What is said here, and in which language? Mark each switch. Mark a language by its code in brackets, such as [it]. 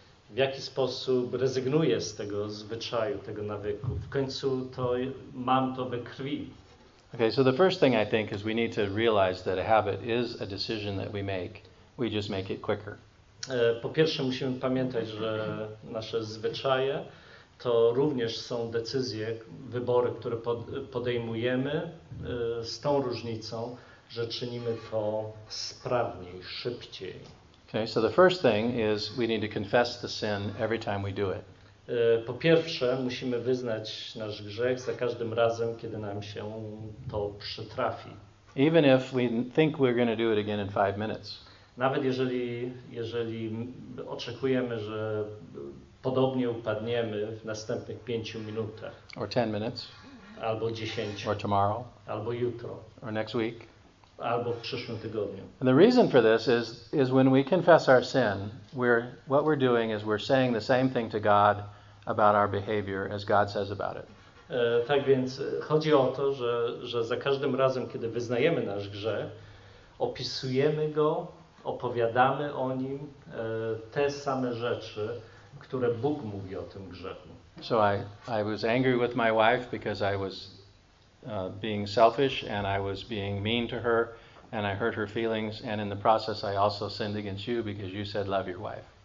[pl] W jaki sposób rezygnuje z tego zwyczaju, tego nawyku? W końcu to mam to we krwi. [en] Okay, so the first thing I think is we need to realize that a habit is a decision that we make. We just make it quicker. [pl] Po pierwsze musimy pamiętać, że nasze zwyczaje to również są decyzje, wybory, które podejmujemy z tą różnicą, że czynimy to sprawniej, szybciej. [en] Okay, so the first thing is we need to confess the sin every time we do it. [pl] Po pierwsze, musimy wyznać nasz grzech za każdym razem, kiedy nam się to przytrafi. [en] Even if we think we're going to do it again in 5 minutes. [pl] Nawet jeżeli oczekujemy, że podobnie upadniemy w następnych 5 minutach. [en] Or 10 minutes. [pl] Albo 10. [en] Or tomorrow. [pl] Albo jutro. [en] Or next week. [pl] Albo w przyszłym tygodniu. [en] And the reason for this is when we confess our sin, what we're doing is we're saying the same thing to God about our behavior as God says about it. [pl] Tak więc chodzi o to, że za każdym razem, kiedy wyznajemy nasz grzech, opisujemy go, opowiadamy o nim te same rzeczy, które Bóg mówi o tym grzechu. [en] So I was angry with my wife because I was being selfish and I was being mean to her and I hurt her feelings and in the process I also sinned against you because you said love your wife.